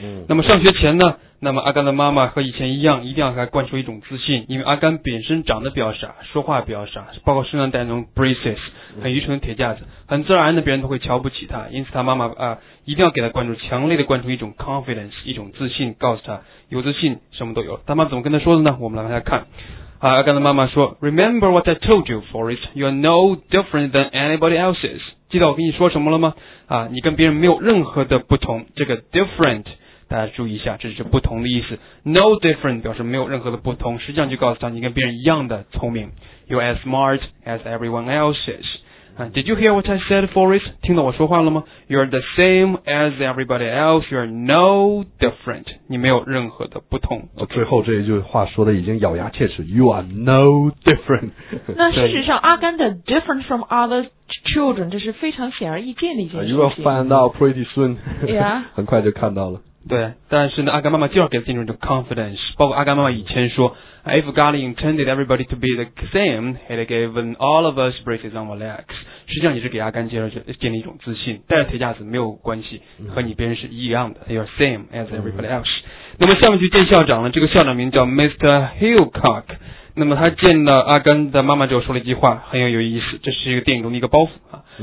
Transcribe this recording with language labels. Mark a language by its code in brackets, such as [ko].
[zh] 那么上学前呢，那么阿甘的妈妈和以前一样，一定要给他灌输一种自信，因为阿甘本身长得比较傻，说话比较傻，包括身上带那种 braces。很愚蠢的铁架子，很自然的别人都会瞧不起他，因此他妈妈一定要给他灌输，强烈的灌输一种 confidence， 一种自信，告诉他有自信什么都有。他妈怎么跟他说的呢？我们来往下看。阿甘的妈妈说 [en] ，Remember what I told you, Forrest. You are no different than anybody else's. [zh] 记得我跟你说什么了吗？你跟别人没有任何的不同。这个 different， 大家注意一下，这是不同的意思。 [en] No different [zh] 表示没有任何的不同，实际上就告诉他你跟别人一样的聪明。 [en] You are as smart as everyone else's. Did you hear what I said, Forrest? [zh] 听到我说话了吗 [en] ？You are the same as everybody else. You are no different. [zh] 你没有任何的不同。 [en] Okay. [zh] 最后这一句话说的已经咬牙切齿。 [en] You are no different. [zh] 那事实上，阿甘的 [en] different from other children [zh] 这是非常显而易见的一件事情。 [en] You will find out pretty soon. Yeah. [zh] 很快就看到了。对，但是呢，阿甘妈妈就要给他进入一种 confidence， 包括阿甘妈妈以前说 [en] ，If God intended everybody to be the same, He'd given all of us braces on our legs。 [zh] 实际上，你是给阿甘建立一种自信，带着铁架子没有关系，和你别人是一样的 ， [en] You're same as everybody else。 [zh] 那么下面去见校长了，这个校长名叫 Mr. Hillcock。那么他见了阿甘的妈妈之后，说了一句话，很有意思，这是一个电影中的一个包袱啊。